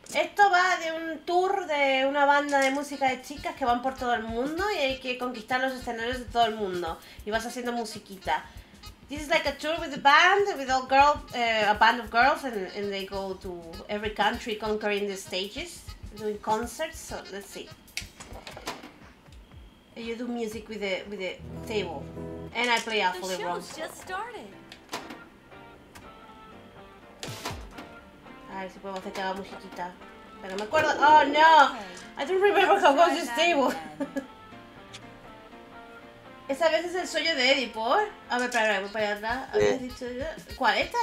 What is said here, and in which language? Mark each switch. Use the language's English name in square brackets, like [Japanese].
[Spanish] Esto va de un tour de una banda de música de chicas que van por todo el mundo y hay que conquistar los escenarios de todo el mundo y vas haciendo musiquita. [English] This is like a tour with a band, with all girls, a band of girls, and they go to every country conquering the stages, doing concerts. So let's see. And you do music with a table, and I play awfully wrong. The show's just started. [Spanish] A ver si puedo hacer que haga musiquita. Pero me acuerdo. [English] Oh no! I don't remember how goes this table. [Spanish] Esa vez es el sueño de Edipo. A ver, espera, voy para allá atrás. ¿Cuál? ¿Esta?